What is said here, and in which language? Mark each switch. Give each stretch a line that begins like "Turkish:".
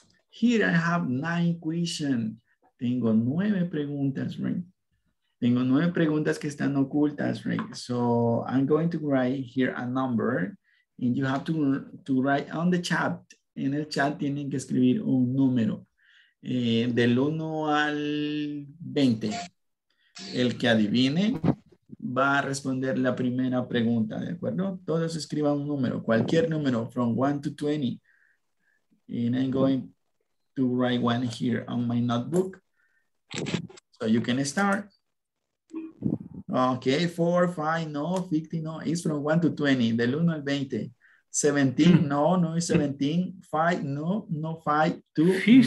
English: Here I have 9 questions.
Spanish: Tengo 9 preguntas,
English: right?
Spanish: Tengo 9 preguntas que están ocultas, right?
English: So I'm going to write here a number and you have to write on the chat.
Spanish: En el chat tienen que escribir un número. Del 1 al 20. El que adivine va a responder la primera pregunta, ¿de acuerdo? Todos escriban un número, cualquier número,
English: from 1 to 20. And I'm going to write one here on my notebook. So you can start. Okay, 4, 5, no, 15, no, it's from 1 to 20,
Spanish: del 1 al 20. 17, no, no es 17. 5, no, no 5. 2, 50.